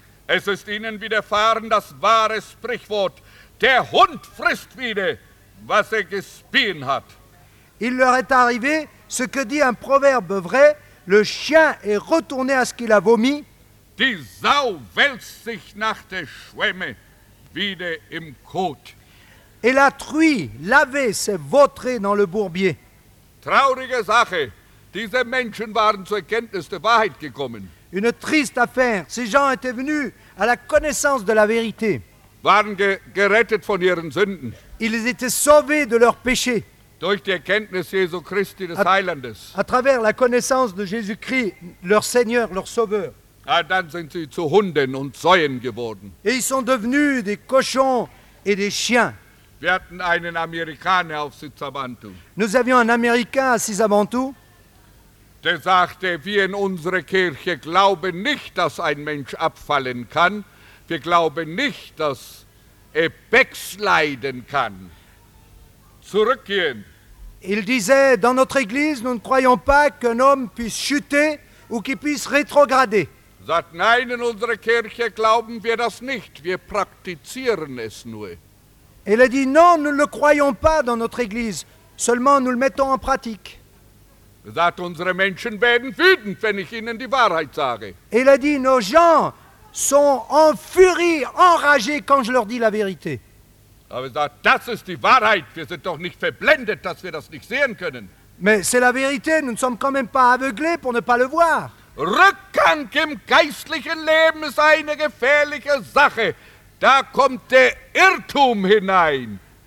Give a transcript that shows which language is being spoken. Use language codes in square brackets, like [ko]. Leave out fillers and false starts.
[de] Es ist ihnen widerfahren das wahre Sprichwort: Der Hund frisst wieder, was er gespien hat. [fr] Il leur est arrivé ce que dit un proverbe vrai: Le chien est retourné à ce qu'il a vomi. [de] Die Sau wälzt sich nach der Schwemme wieder im Kot. [fr] Et la truie lavée s'est vautrée dans le bourbier. [de] Traurige Sache, diese Menschen waren zur Erkenntnis der Wahrheit gekommen. [fr] Une triste affaire, ces gens étaient venus à la connaissance de la vérité. [de] Waren gerettet von ihren Sünden. [fr] Ils étaient sauvés de leurs péchés. [de] Durch die Erkenntnis Jesu Christi des Heilandes. [fr] À travers la connaissance de Jésus-Christ, leur Seigneur, leur Sauveur. [de] Ah, dann sind sie zu Hunden und Säuen geworden. [fr] Et ils sont devenus des cochons et des chiens. [de] Wir hatten einen Amerikaner auf Sisavantu. [fr] Nous avions un Américain à Sisavantu. [de] Der sagte, wir in unserer Kirche glauben nicht, dass ein Mensch abfallen kann. Wir glauben nicht, dass er backsliden kann. Zurückgehen. [fr] Il disait, dans notre Église, nous ne croyons pas qu'un homme puisse chuter ou qu'il puisse rétrograder. [de] Sagt, nein, in unserer Kirche glauben wir das nicht, wir praktizieren es nur. [fr] Elle a dit, non, nous ne le croyons pas dans notre Église, seulement nous le mettons en pratique. [de] Sagt, unsere Menschen werden wütend, wenn ich ihnen die Wahrheit sage. [fr] Elle a dit, nos gens sont en furie, enragés, quand je leur dis la vérité. [de] Aber sagt, das ist die Wahrheit, wir sind doch nicht verblendet, dass wir das nicht sehen können. [fr] Mais c'est la vérité, nous ne sommes quand même pas aveuglés pour ne pas le voir. [de] Rückgang im geistlichen Leben ist eine gefährliche Sache. Da kommt der Irrtum hinein.